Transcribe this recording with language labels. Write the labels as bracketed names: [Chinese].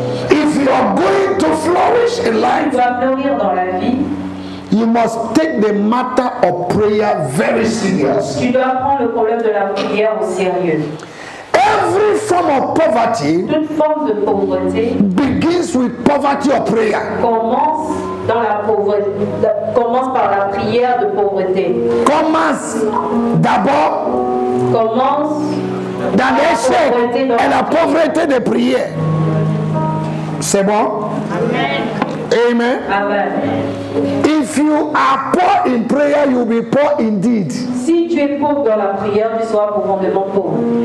[English] If you are going to flourish in life. [French] Tu vas fleurir dans la vie. [English] You must take the matter of prayer very serious. [French] Tu dois prendre le problème de la prière au sérieux. [English] Every form of poverty, [French] toute forme de pauvreté, [English] begins with poverty of prayer. [French] Commence par la prière de pauvreté. Commence d'abord. Commence dans l'échec et la pauvreté de prière. C'est bon? Amen. Amen. Amen. [English] If you are poor in prayer, you will be poor indeed. [French] Si tu es pauvre dans la prière, tu seras profondément pauvre.